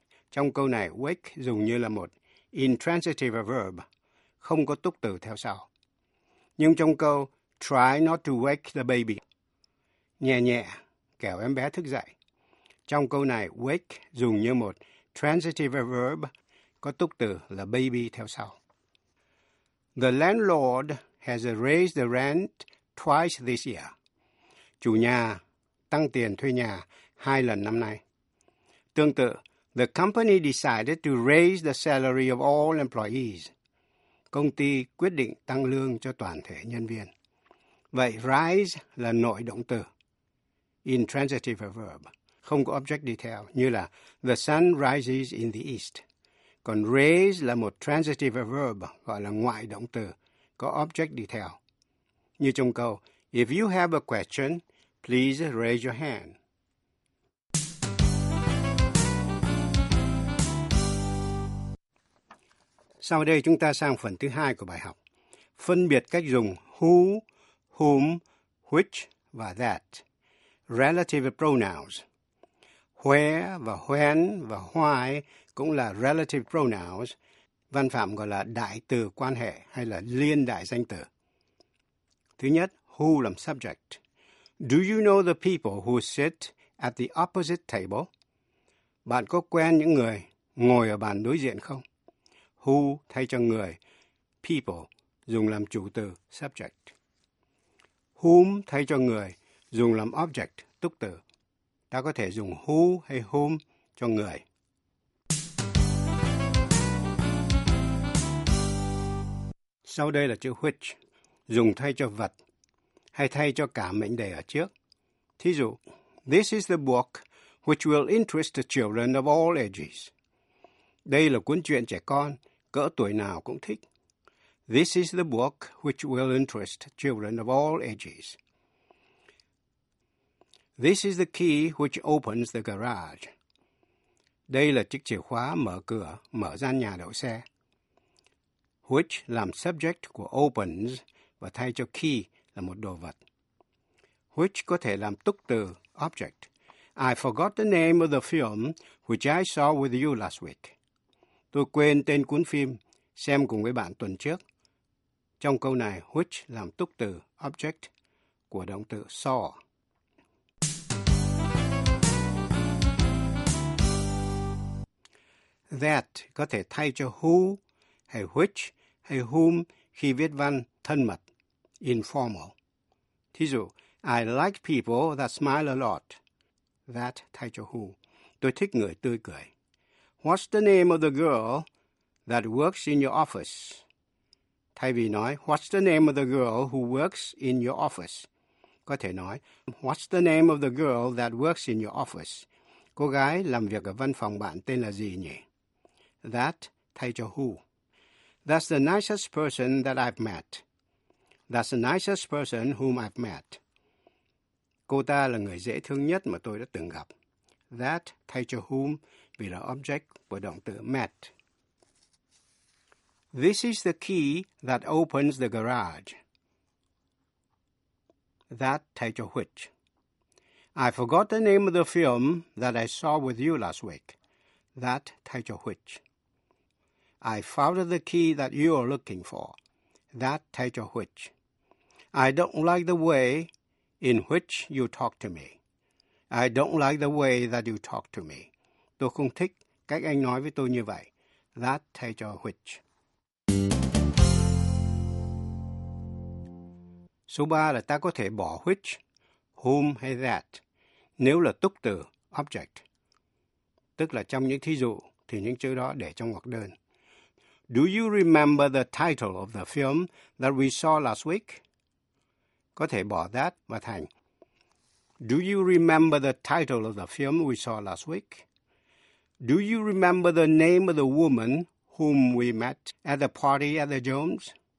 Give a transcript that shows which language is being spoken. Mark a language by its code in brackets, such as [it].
[vi] Trong câu này, wake dùng như là một intransitive verb, không có túc từ theo sau. Nhưng trong câu, [en] try not to wake the baby, [vi] nhẹ nhẹ, kẻo em bé thức dậy. Trong câu này, wake dùng như một transitive verb, có túc từ là baby theo sau. [en] The landlord has raised the rent twice this year. [vi] Chủ nhà tăng tiền thuê nhà hai lần năm nay. Tương tự, [en] the company decided to raise the salary of all employees. [vi] Công ty quyết định tăng lương cho toàn thể nhân viên. Vậy rise là nội động từ, intransitive verb, không có object detail, như là [en] the sun rises in the east. [vi] Còn raise là một transitive verb, gọi là ngoại động từ, có object detail. Như trong câu, [en] if you have a question, please raise your hand. [vi] Sau đây chúng ta sang phần thứ hai của bài học, phân biệt cách dùng who, whom, which và that, relative pronouns. Where và when và why cũng là relative pronouns, văn phạm gọi là đại từ quan hệ hay là liên đại danh từ. Thứ nhất, who làm subject. [en] Do you know the people who sit at the opposite table? [vi] Bạn có quen những người ngồi ở bàn đối diện không? Who thay cho người, people, dùng làm chủ từ, subject. Whom thay cho người, dùng làm object, túc từ. Ta có thể dùng who hay whom cho người. Sau đây là chữ which, dùng thay cho vật, hay thay cho cả mệnh đề ở trước. Thí dụ, [en] this is the book which will interest the children of all ages. [vi] Đây là cuốn truyện trẻ con, cỡ tuổi nào cũng thích. [en] This is the book which will interest children of all ages. This is the key which opens the garage. [vi] Đây là chiếc chìa khóa mở cửa, mở gian nhà đậu xe. Which làm subject của opens và thay cho key là một đồ vật. Which có thể làm túc từ, object. [en] I forgot the name of the film which I saw with you last week. [vi] Tôi quên tên cuốn phim xem cùng với bạn tuần trước. Trong câu này, which làm túc từ, object, của động từ saw. That có thể thay cho who, hay which, hay whom khi viết văn thân mật, informal. Thí dụ, [en] I like people that smile a lot. [vi] That thay cho who. Tôi thích người tươi cười. [en] What's the name of the girl that works in your office? [vi] Thay vì nói, [en] what's the name of the girl who works in your office? [vi] Có thể nói, [en] what's the name of the girl that works in your office? [vi] Cô gái làm việc ở văn phòng bạn tên là gì nhỉ? That thay cho who. [en] That's the nicest person that I've met. That's the nicest person whom I've met. [vi] Cô ta là người dễ thương nhất mà tôi đã từng gặp. That thay cho whom vì là object của động từ met. [en] This is the key that opens the garage. That [vi] thay cho [en] which. I forgot the name of the film that I saw with you last week. That [vi] thay cho [en] which. I found the key that you are looking for. That [vi] thay cho [en] which. I don't like the way in which you talk to me. I don't like the way that you talk to me. [vi] Tôi không thích cách anh nói với tôi như vậy. That thay cho which. Số 3 là ta có thể bỏ which, whom hay that nếu là túc từ, object. Tức là trong những thí dụ thì những chữ đó để trong hoặc đơn. [en] Do you remember the title of the film that we saw last week? [vi] Có thể bỏ that và thành. [en] Do you remember the title of the film we saw last week? Do you remember the name of the woman whom we met at the party at the Jones?